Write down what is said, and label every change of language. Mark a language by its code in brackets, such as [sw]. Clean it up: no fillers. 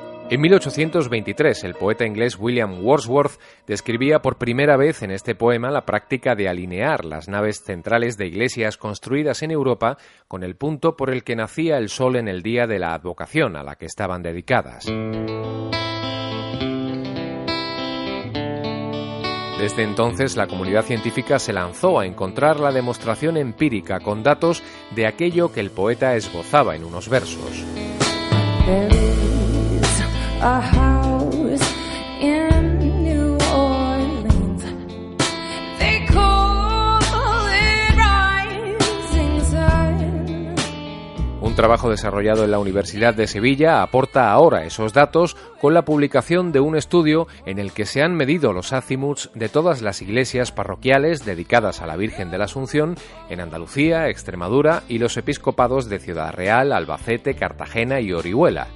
[es] En 1823, el poeta inglés William Wordsworth describía por primera vez en este poema la práctica de alinear las naves centrales de iglesias construidas en Europa con el punto por el que nacía el sol en el día de la advocación a la que estaban dedicadas. Desde entonces, la comunidad científica se lanzó a encontrar la demostración empírica con datos de aquello que el poeta esbozaba en unos versos. [en] A house in New Orleans, they call it Rising Sun. [es] Un trabajo desarrollado en la Universidad de Sevilla aporta ahora esos datos con la publicación de un estudio en el que se han medido los azimuts de todas las iglesias parroquiales dedicadas a la Virgen de la Asunción en Andalucía, Extremadura y los episcopados de Ciudad Real, Albacete, Cartagena y Orihuela.